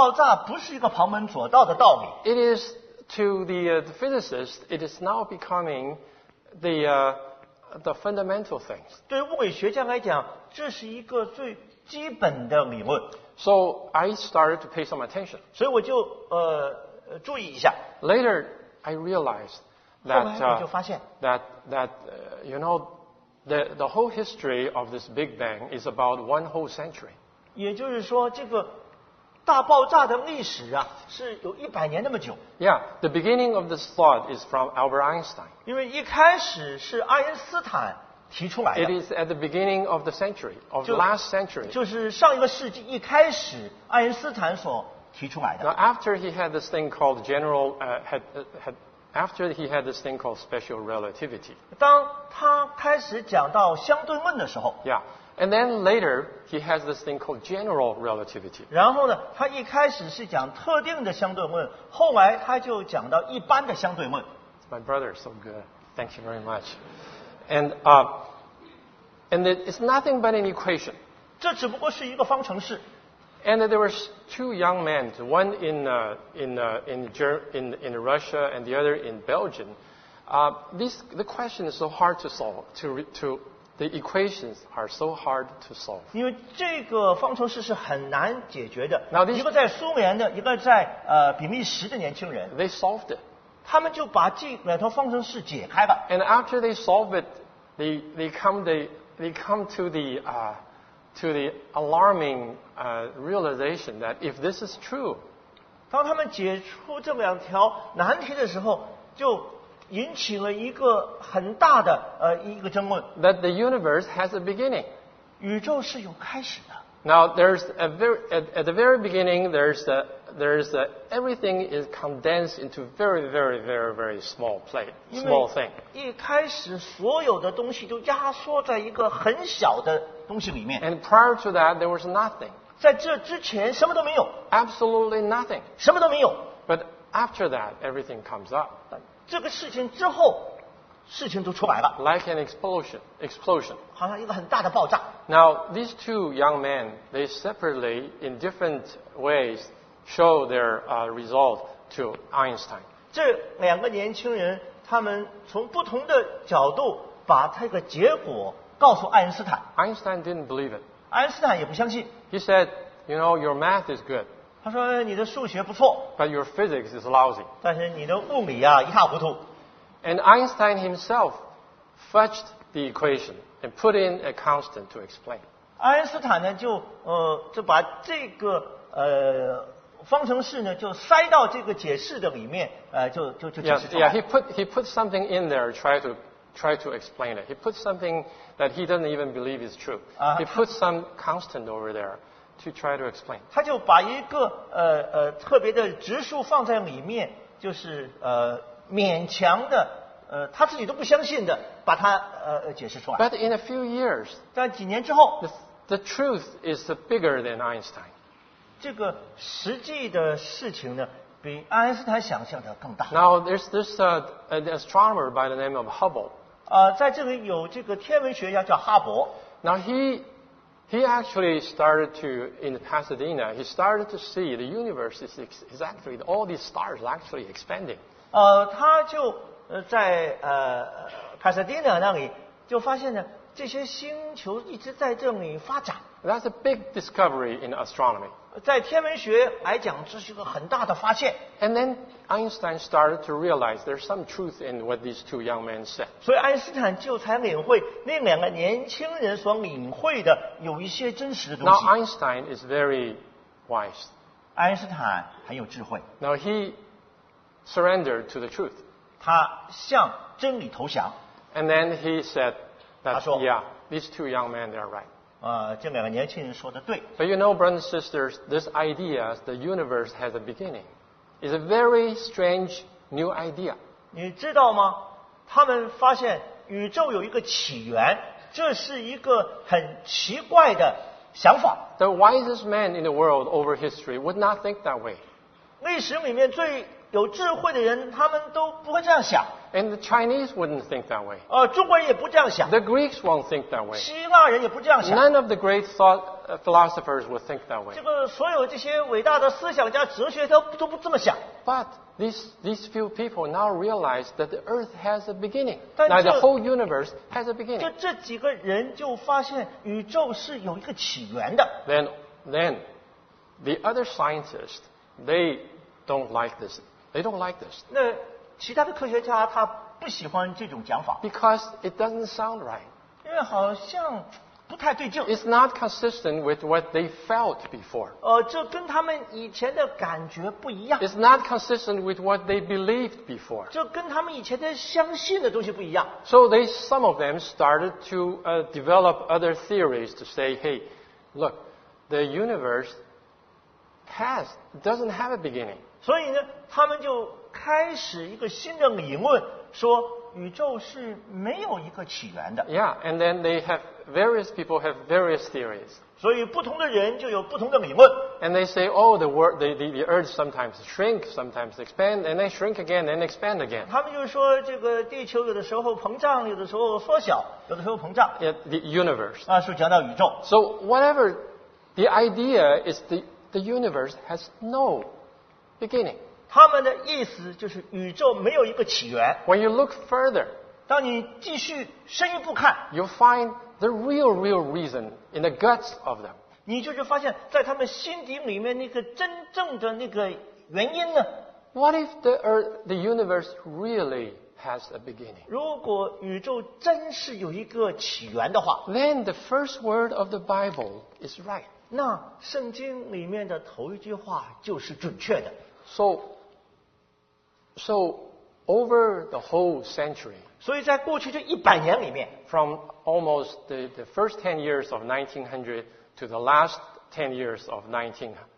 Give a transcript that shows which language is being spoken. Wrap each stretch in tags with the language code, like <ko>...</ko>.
<zh>我就发现这个大爆炸不是一个旁门左道的道理.</zh> <en>It is to the physicist, it is now becoming the fundamental things.</en> <zh>对物理学家来讲，这是一个最 基本的理论.</zh> <en>So I started to pay some attention.</en> <zh>所以我就, 注意一下.</zh> <en>Later, I realized that,</en> <zh>后来我就发现,</zh> <en>you know, the whole history of this Big Bang is about one whole century.</en> <zh>也就是说，这个大爆炸的历史啊, 是有100年那么久.</zh> <en>Yeah, the beginning of this thought is from Albert Einstein.</en> <zh>因为一开始是爱因斯坦,</zh> <en>it is at the beginning of the century, of the last century.</en> <zh>就是上一个世纪一开始, 爱因斯坦所提出来的。</zh> <en>Now, after he had this thing called general, after he had this thing called special relativity.</en> <zh>当他开始讲到相对论的时候,</zh> <en>yeah, and then later he has this thing called general relativity.</en> <zh>然后呢, 他一开始是讲特定的相对论, 后来他就讲到一般的相对论。</zh> <en>My brother is so good. Thank you very much. And it's nothing but an equation.</en> <zh>这只不过是一个方程式.</zh> <en>And there were two young men, one in Russia and the other in Belgium. The question is so hard to solve, to The equations are so hard to solve.</en> <zh>因为这个方程式是很难解决的。</zh> <en>Now these,</en> <zh>一个在苏联的，一个在比利时的年轻人。</zh> <en>They solved it.</en> <zh>他们就把这两套方程式解开了。</zh> <en>And after they solve it, they come to the alarming realization that if this is true,</en> <zh>当他们解出这两条难题的时候，就引起了一个很大的一个争论。</zh> <en>That the universe has a beginning.</en> <zh>宇宙是有开始的。</zh> <en>Now there's at the very beginning there's everything is condensed into very very very very small plate small thing.</en> <zh>一开始所有的东西都压缩在一个很小的东西里面。</zh> <en>And prior to that there was nothing.</en> <zh>在这之前什么都没有。</zh> <en>Absolutely nothing.</en> <zh>什么都没有。</zh> <en>But after that everything comes up.</en> <zh>这个事情之后，事情都出来了。</zh> <en>Like an explosion.</en> <zh>好像一个很大的爆炸。</zh> <en>Now these two young men, they separately in different ways show their result to Einstein.</en> <zh>这两个年轻人，他们从不同的角度把这个结果告诉爱因斯坦。</zh> <en>Einstein didn't believe it.</en> <zh>爱因斯坦也不相信。</zh> <en>He said, "You know, your math is good."</en> <zh>他说你的数学不错</zh> <en>but your physics is lousy.</en> <zh>但是你的物理啊一塌糊涂</zh> <en>and Einstein himself fudged the equation and put in a constant to explain.</en> <zh>爱因斯坦呢就把这个方程式呢就塞到这个解释的里面就解释出来</zh> <en>he put something in there try to explain it. He put something that he doesn't even believe is true. He put some constant over there. To try to explain.</en> <zh>他就把一个特别的质数放在里面，就是勉强的他自己都不相信的，把它解释出来。</zh> <en>But in a few years,</en> <zh>在几年之后</zh> <en>the truth is bigger than Einstein.</en> <zh>这个实际的事情呢，比爱因斯坦想象的更大。</zh> <en>Now there's this an astronomer by the name of Hubble.</en> <zh>在这里有这个天文学家叫哈勃。</zh> <en>Now He actually started to, in Pasadena, he started to see the universe is actually, all these stars are actually expanding.</en> <zh>他就在Pasadena 那里就发现呢这些星球一直在这里发展。</zh> <en>That's a big discovery in astronomy.</en> <zh>在天文学来讲这是一个很大的发现。</zh> <en>And then Einstein started to realize there's some truth in what these two young men said.</en> <zh>所以爱因斯坦就才领会那两个年轻人所领会的有一些真实的东西。</zh> <en>Now Einstein is very wise.</en> <zh>爱因斯坦很有智慧。</zh> <en>Now he surrendered to the truth.</en> <zh>他向真理投降。</zh> <en>And then he said,</en> <zh>That, 他说</zh> <en>，Yeah, these two young men, they are right.</en> <zh>这两个年轻人说的对。</zh> <en>But you know, brothers and sisters, this idea, the universe has a beginning, is a very strange new idea.</en> <zh>你知道吗？他们发现宇宙有一个起源，这是一个很奇怪的想法。</zh> <en>The wisest man in the world over history would not think that way.</en> <zh>历史里面最有智慧的人，他们都不会这样想。</zh> <en>And the Chinese wouldn't think that way.</en> <zh>中国人也不这样想。</zh> <en>The Greeks won't think that way.</en> <zh>希腊人也不这样想。</zh> <en>None of the great thought philosophers would think that way.</en> <zh>这个所有这些伟大的思想家、哲学家都不这么想。</zh> <en>But these few people now realize that the Earth has a beginning. Now the whole universe has a beginning.</en> <zh>这几个人就发现宇宙是有一个起源的。</zh> <en>Then the other scientists they don't like this. They don't like this.</en> <zh>那其他的科学家他不喜欢这种讲法</zh> <en>，because it doesn't sound right，</en> <zh>因为好像不太对劲。</zh> <en>It's not consistent with what they felt before。</en> <zh>这跟他们以前的感觉不一样。</zh> <en>It's not consistent with what they believed before。</en> <zh>这跟他们以前的相信的东西不一样。</zh> <en>So they some of them started to develop other theories to say, hey, look, the universe doesn't have a beginning。</en> <zh>所以呢，他们就开始一个新的理论，说宇宙是没有一个起源的。</zh> <en>Yeah, and then they have various people have various theories.</en> <zh>所以不同的人就有不同的理论。</zh> <en>And they say, oh, the world, the Earth sometimes shrink, sometimes expand, and then shrink again, and expand again.</en> <zh>他们就说这个地球有的时候膨胀，有的时候缩小，有的时候膨胀。</zh> <en>Yeah, the universe.</en> <zh>那是讲到宇宙。</zh> <en>So whatever the idea is, the universe has no beginning.</en> <zh>他们的意思就是宇宙没有一个起源。</zh> <en>When you look further,</en> <zh>当你继续深一步看</zh> <en>，you find the real, real reason in the guts of them.</en> <zh>你就是发现在他们心底里面那个真正的那个原因呢？</zh> <en>What if the earth, the universe really has a beginning?</en> <zh>如果宇宙真是有一个起源的话，</zh> <en>then the first word of the Bible is right.</en> <zh>那圣经里面的头一句话就是准确的。</zh> <en>So over the whole century,</en> <zh>所以在过去这一百年里面，</zh> <en>from almost the first 10 years of 1900to the last 10 years of 2000.</en>